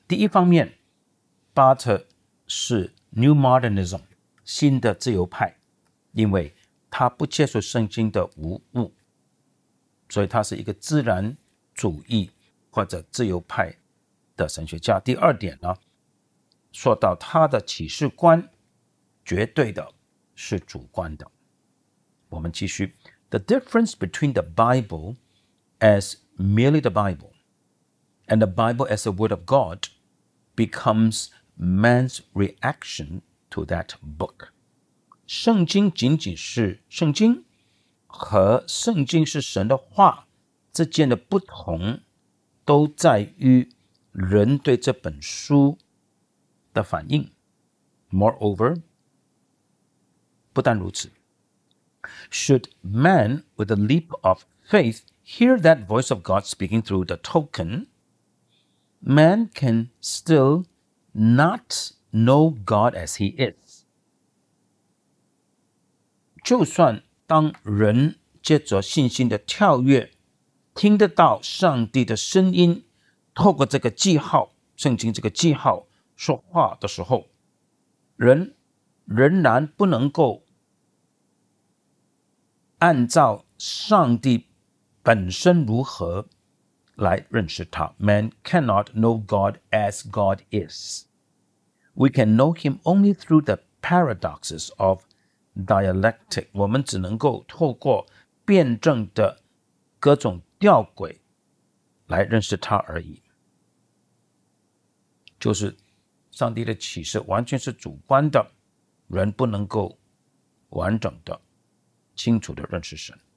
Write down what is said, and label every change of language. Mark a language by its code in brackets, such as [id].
[zh] 第一方面，巴特是 New Modernism 新的自由派，因为他不接受圣经的无误，所以他是一个自然主义或者自由派的神学家。第二点呢，说到他的启示观绝对的是主观的。我们继续。 [en] The difference between the Bible as merely the Bible and the Bible as the word of God becomes man's reaction to that book. [zh] 圣经仅仅是圣经和圣经是神的话之间的不同都在于人对这本书的反应。 [en] Moreover, [zh] 不但如此， [en] Should man with a leap of faith hear that voice of God speaking through the token, man can still not know God as he is. [zh] 就算当人借着信心的跳跃听得到上帝的声音透过这个记号，圣经这个记号说话的时候，人仍然不能够按照上帝本身如何来认识他。 [en] Man cannot know God as God is. We can know him only through the paradoxes of dialectic. [zh] 我们只能够透过辩证的各种吊诡来认识他而已。就是上帝的启示完全是主观的，人不能够完整的清楚的认识神。